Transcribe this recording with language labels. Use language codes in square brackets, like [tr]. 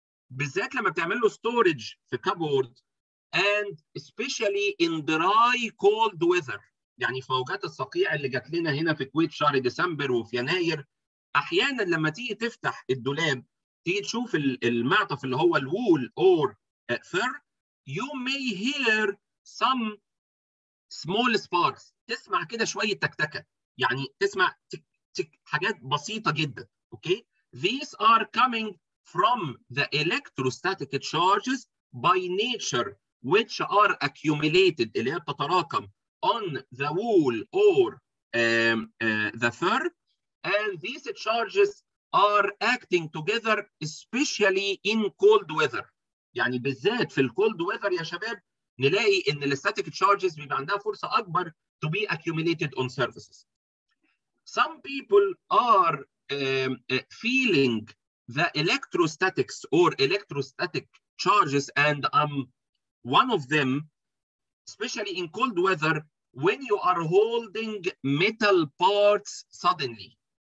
[ar] بالذات لما بتعمل له ستورج في كابورد, [en] and especially in dry cold weather, [ar] يعني في موجات الصقيع اللي جات لنا هنا في الكويت شهر ديسمبر وفي يناير, احيانا لما تيجي تفتح الدولاب تيجي تشوف المعطف اللي هو الوول [en] or fur, you may hear some small sparks, [ar] تسمع كده شوية تكتكة, يعني تسمع تك تك حاجات بسيطة جدا. [en] Okay, these are coming from the electrostatic charges by nature, which are accumulated, [ar] اللي هي بتتراكم, [en] on the wool or the fur, and these charges are acting together, especially in cold weather. [ar] يعني بالذات في الكولد weather يا شباب, نلاقي ان الستاتيك تشارجز بيبقى عندها فرصه اكبر [en] to be accumulated on surfaces. Some people are feeling the electrostatics or electrostatic charges, and I'm one of them, especially in cold weather, when you are holding metal parts suddenly.